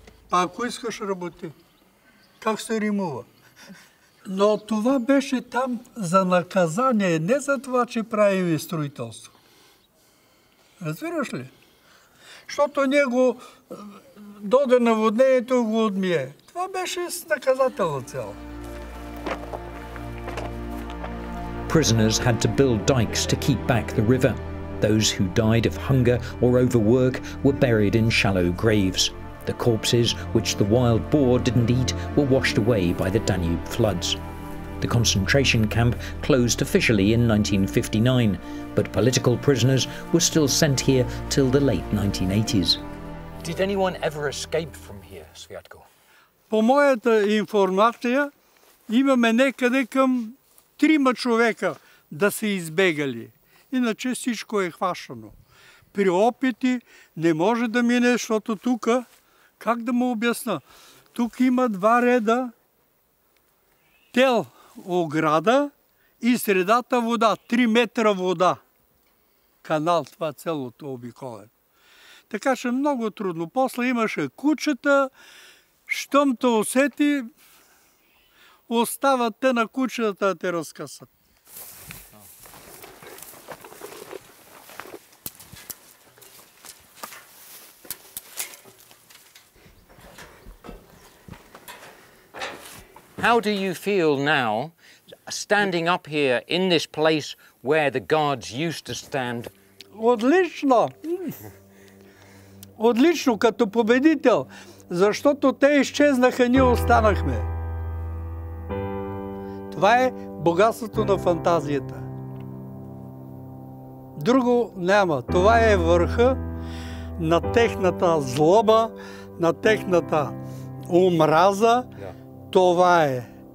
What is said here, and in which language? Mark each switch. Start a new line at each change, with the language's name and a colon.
Bulgarian: А ако искаш работи, как се римува? Но това беше там за наказание, не за това, че правим строителство. Разбираш ли? Щото ние го доде на воднението го отмие. Това беше с наказателна цел.
English: Prisoners had to build dikes to keep back the river. Those who died of hunger or overwork were buried in shallow graves. The corpses, which the wild boar didn't eat, were washed away by the Danube floods. The concentration camp closed officially in 1959, but political prisoners were still sent here till the late 1980s. Did anyone ever escape from here, Sviatko?
Bulgarian: По моята информация, имаме некъде към трима човека да се избегали. Иначе всичко е хващано. При опити не може да мине, защото тук, как да му обясна, тук има два реда тел, ограда и средата вода, 3 метра вода. Канал, това цялото обиколен. Така че много трудно. После имаше кучета, щом те усети, остават те на кучетата да те разкъсат.
English: How do you feel now, standing up here in this place where the guards used to stand?
Bulgarian: Отлично! Отлично, като победител, защото те изчезнаха, ние останахме. Това е богатството на фантазията. Друго няма. Това е върха на техната злоба, на техната омраза. Това е.